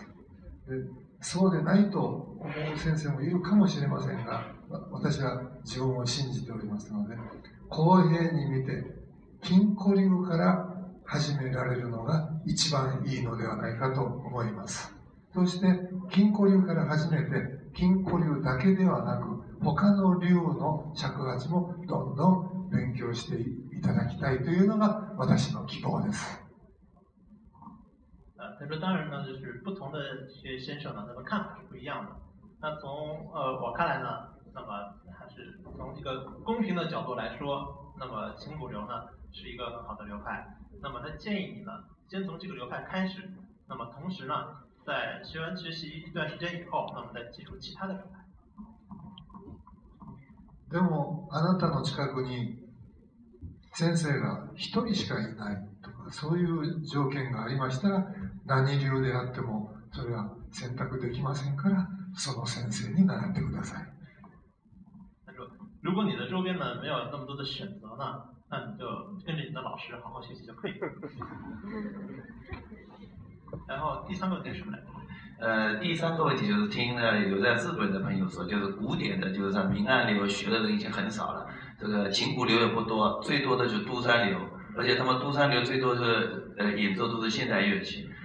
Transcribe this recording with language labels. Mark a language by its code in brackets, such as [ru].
[ja] でそうでないと思う先生もいるかもしれませんが、私は自分を信じておりますので、公平に見て金古流から始められるのが一番いいのではないかと思います。そして金古流から始めて、金古流だけではなく他の流の尺八もどんどん勉強していただきたいというのが私の希望です。 [zh] 他说当然呢，就是不同的学先生呢，那么看法是不一样的。那从我看来呢，那么还是从一个公平的角度来说，那么琴骨流呢是一个很好的流派。那么他建议你呢，先从这个流派开始，那么同时呢，在学完学习一段时间以后，那么再进入其他的状态。 [ja] でもあなたの近くに先生が一人しかいないとかそういう条件がありましたら何流であってもそれは選択できませんからその先生に習ってください。 [zh] 如果你的周边呢没有那么多的选择呢，那你就跟着你的老师好好学习就可以了。然后第三个问题是什么来着？第三个问题就是听了有在日本的朋友说，就是古典的，就是说明暗流学的人已经很少了，这个琴古流也不多，最多的就是都山流，而且他们都山流最多是演奏都是现代乐器。